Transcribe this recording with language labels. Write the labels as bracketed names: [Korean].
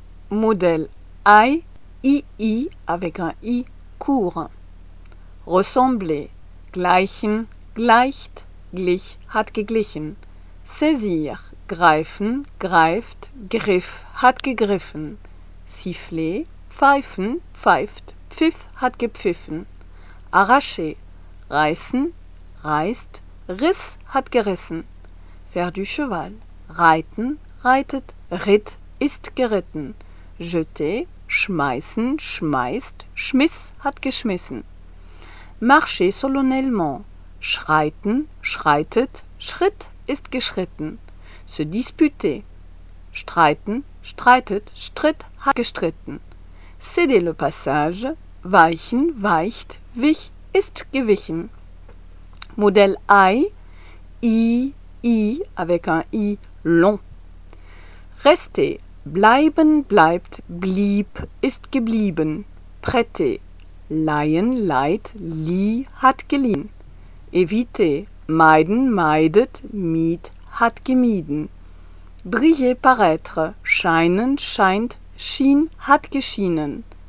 [French] Modèle I, II avec un I court. Ressembler. [German] Gleichen, gleicht, glich, hat geglichen. [French] Saisir. [German] Greifen, greift, griff, hat gegriffen. [French] Siffler. [German] Pfeifen, pfeift, pfiff, hat gepfiffen. [French] Arracher. [German] Reißen, reißt, riss, hat gerissen. [French] Faire du cheval. [German] Reiten, reitet, ritt, ist geritten. [French] Jeter, [German] schmeißen, schmeißt, schmiss, hat geschmissen. [French] Marcher solennellement. [German] Schreiten, schreitet, Schritt, ist geschritten. [French] Se disputer. [German] Streiten, streitet, Stritt, hat gestritten. [French] Céder le passage. [German] Weichen, weicht, wich, ist gewichen. [French] Modell I, I, I, avec un I long. Rester, [German] bleiben, bleibt, blieb, ist geblieben. [French] Prêter, [German] leihen, leiht, lieh, hat geliehen. [French] Éviter, [German] meiden, meidet, mied, hat gemieden. [French] Briller, paraître, [German] scheinen, scheint, schien, hat geschienen.